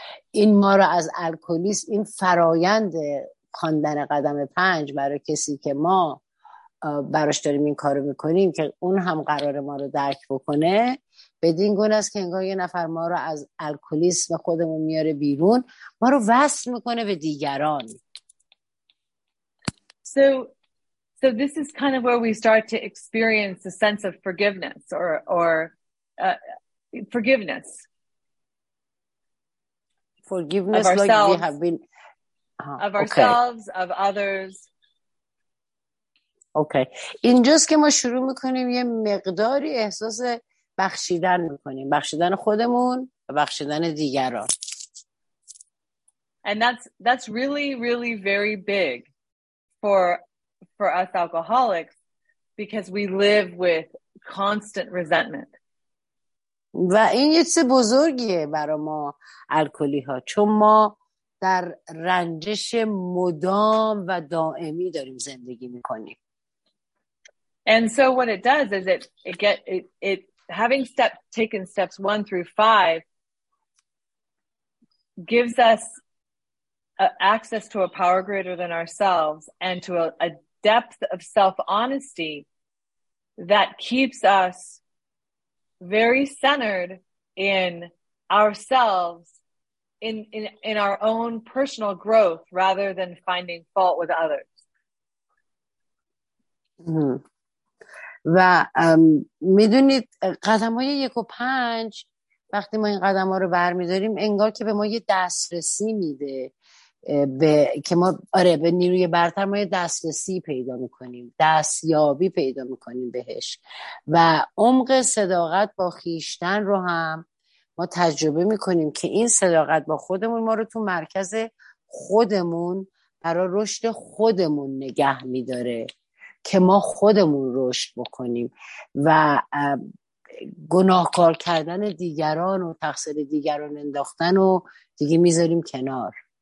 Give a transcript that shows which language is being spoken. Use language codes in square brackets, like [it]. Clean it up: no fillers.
[fa] این ما رو از الکلیسم، این فرایند خواندن قدم 5 برای کسی که ما براش داریم این کارو میکنیم که اون هم قرار ما رو درک بکنه، بدین گونه است که انگار یه نفر ما رو از الکلیسم خودمون میاره بیرون، ما رو وصل میکنه به دیگران. [en] So this is kind of where we start to experience a sense of forgiveness or forgiveness of ourselves, like we have been of ourselves, okay. Of others. Okay. [fa] اینجاست که ما شروع میکنیم یه مقداری احساس بخشیدن میکنیم. بخشیدن خودمون و بخشیدن دیگران. [en] And that's really, really very big for us alcoholics because we live with constant resentment. [fa] و این یه چیز بزرگیه برای ما الکلی ها، چون ما در رنجش مدام و دائمی داریم زندگی میکنیم. [en] And so what it does is it having taken steps 1 through 5 gives us access to a power greater than ourselves and to a depth of self-honesty that keeps us very centered in ourselves, in our own personal growth rather than finding fault with others. [fa] و میدونید قدم های 1 و 5 وقتی ما این قدم ها رو برمیداریم انگار که به ما یه دسترسی میده به که ما آره به نیروی برتر ما یه دسترسی پیدا میکنیم، دستیابی پیدا میکنیم بهش و عمق صداقت با خیشتن رو هم ما تجربه میکنیم که این صداقت با خودمون ما رو تو مرکز خودمون برای رشد خودمون نگه میداره که ما خودمون رشد بکنیم و گناهکار کردن دیگران و تقصیر دیگران انداختن و دیگه میذاریم کنار.